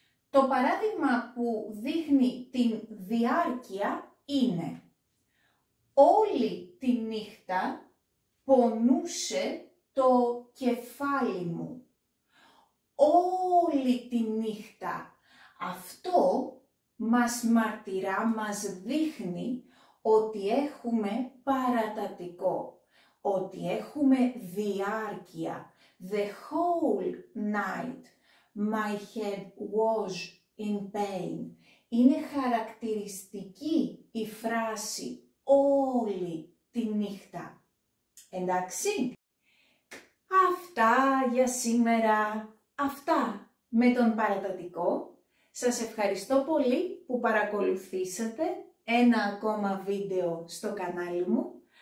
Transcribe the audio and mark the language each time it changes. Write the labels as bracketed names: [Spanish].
[Greek] Το παράδειγμα που δείχνει την διάρκεια είναι όλη τη νύχτα πονούσε το κεφάλι μου. Όλη τη νύχτα. Αυτό μας μαρτυρά, μας δείχνει ότι έχουμε παρατατικό, ότι έχουμε διάρκεια. [English] The whole night my head was in pain. [Greek] Είναι χαρακτηριστική η φράση όλη τη νύχτα. Εντάξει. Αυτά για σήμερα. Αυτά με τον παρατατικό. Σας ευχαριστώ πολύ που παρακολουθήσατε ένα ακόμα βίντεο στο κανάλι μου.